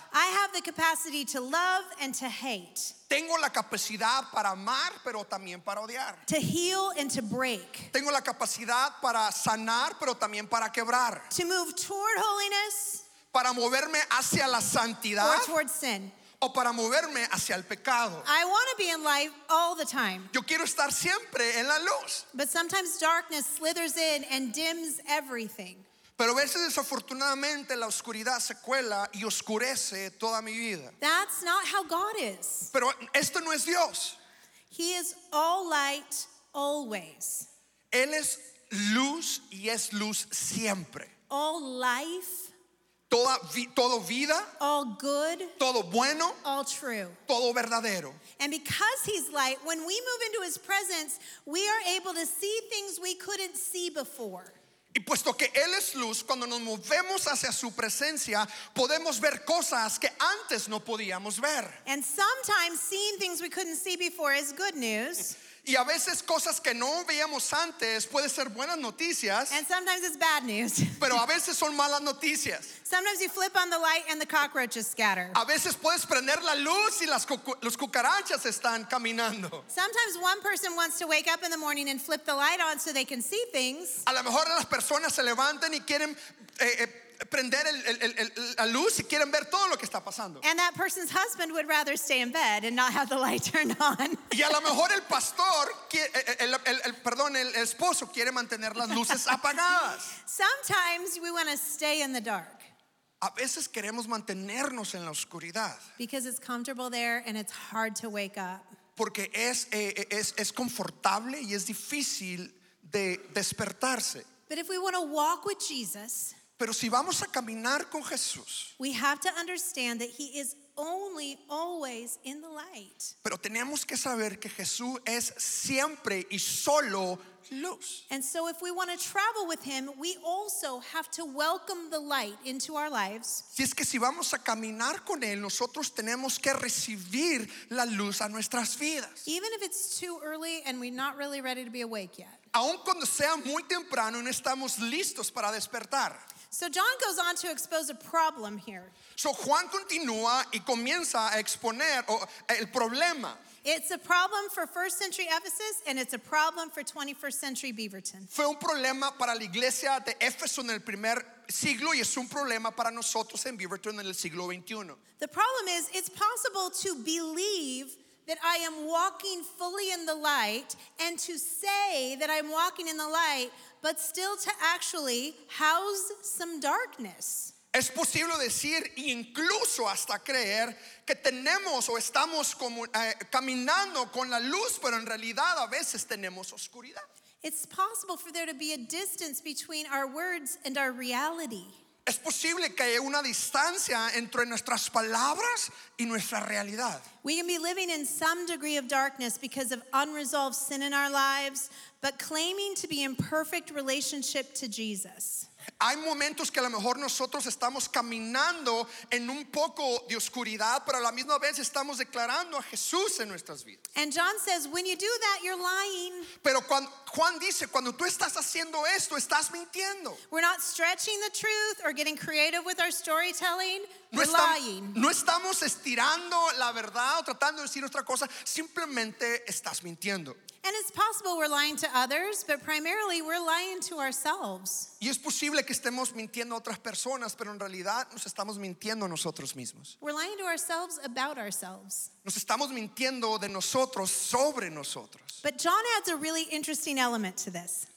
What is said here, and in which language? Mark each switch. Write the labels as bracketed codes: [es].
[en] I have the capacity to love and to hate. [es] Tengo la capacidad para amar, pero también para odiar. [en] To heal and to break. [es] Tengo la capacidad para sanar, pero también para quebrar. [en] To move toward holiness. [es] Para moverme hacia la santidad. [en] Or toward sin. [es] O para moverme hacia el pecado. [en] I want to be in light all the time. [es] Yo quiero estar siempre en la luz. [en] But sometimes darkness slithers in and dims everything. [es] Pero a veces desafortunadamente la oscuridad se cuela y oscurece toda mi vida. [en] That's not how God is. [es] Pero esto no es Dios. [en] He is all light always. [es] Él es luz y es luz siempre. [en] All life. [es] Todo vida. [en] All good. [es] Todo bueno. [en] All true. [es] Todo verdadero. [en] And because he's light, when we move into his presence, we are able to see things we couldn't see before. [es] Y puesto que él es luz, cuando nos movemos hacia su presencia, podemos ver cosas que antes no podíamos ver. [en] And sometimes seeing things we couldn't see before is good news. [es] Y a veces cosas que no veíamos antes puede ser buenas noticias. [en] And sometimes it's bad news. [es] Pero a veces son malas noticias. [en] Sometimes you flip on the light and the cockroaches scatter. [es] A veces puedes prender la luz y los cucarachas están caminando. [en] Sometimes one person wants to wake up in the morning and flip the light on so they can see things. [es] A lo mejor las personas se levantan y quieren prender la luz y quieren ver todo lo que está pasando. [en] And that person's husband would rather stay in bed and not have the light turned on. [es] Y a lo mejor el pastor, el esposo quiere mantener las luces apagadas. [en] Sometimes we want to stay in the dark. [es] A veces queremos mantenernos en la oscuridad. [en] Because it's comfortable there and it's hard to wake up. [es] Porque es confortable y es difícil de despertarse. [en] But if we want to walk with Jesus. [es] Pero si vamos a caminar con Jesús. [en] We have to understand that he is only always in the light. [es] Pero tenemos que saber que Jesús es siempre y solo luz. [en] And so if we want to travel with him, we also have to welcome the light into our lives. [es] Si es que si vamos a caminar con él, nosotros tenemos que recibir la luz a nuestras vidas. [en] Even if it's too early and we're not really ready to be awake yet. [es] Aun cuando sea muy temprano y no estamos listos para despertar. [en] So John goes on to expose a problem here. [es] So Juan continúa y comienza a exponer el problema. [en] It's a problem for first century Ephesus and it's a problem for 21st century Beaverton. [es] Fue un problema para la iglesia de Éfeso en el primer siglo y es un problema para nosotros en Beaverton en el siglo 21. [en] The problem is it's possible to believe that I am walking fully in the light and to say that I'm walking in the light but still to actually house some darkness. [es] Es posible decir incluso hasta creer que tenemos o estamos como caminando con la luz, pero en realidad a veces tenemos oscuridad. [en] It's possible for there to be a distance between our words and our reality. [es] Es posible que haya una distancia entre nuestras palabras y nuestra realidad. [en] We can be living in some degree of darkness because of unresolved sin in our lives, but claiming to be in perfect relationship to Jesus. [es] Hay momentos que a lo mejor nosotros estamos caminando en un poco de oscuridad, pero a la misma vez estamos declarando a Jesús en nuestras vidas. [en] And John says, when you do that, you're lying. [es] Pero Juan dice, cuando tú estás haciendo esto, estás mintiendo. [en] We're not stretching the truth or getting creative with our storytelling. We're lying. [es] No estamos estirando la verdad o tratando de decir otra cosa. Simplemente estás mintiendo. [en] And it's possible we're lying to others, but primarily we're lying to ourselves. [es] Y es posible que estemos mintiendo a otras personas, pero en realidad nos estamos mintiendo a nosotros mismos. [en] We're lying to ourselves about ourselves. [es] Nos estamos mintiendo de nosotros sobre nosotros. [en] But John adds a really interesting element to this.